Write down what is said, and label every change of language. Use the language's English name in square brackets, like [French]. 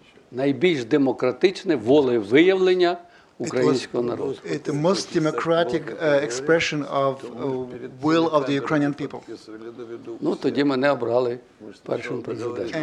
[Ukrainian] найбільш демократичне волевиявлення українського народу. [English] It was the most democratic expression of will of the Ukrainian people. [Ukrainian] Ну, тоді мене обрали першим президентом.